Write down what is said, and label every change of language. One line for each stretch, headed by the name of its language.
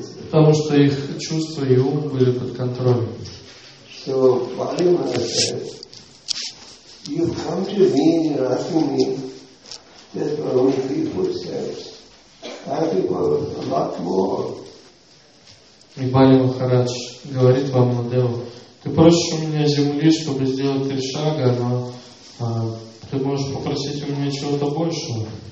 Russian: Потому что их чувства и ум были под контролем.
English: So, Pali Maharaj, you come to me and you're asking me just for only 3 footsteps. I have a lot more.
Russian: И Пали Махарадж говорит вам, Ламадеву, ты просишь у меня земли, чтобы сделать 3 шага, но ты можешь попросить у меня чего-то большего.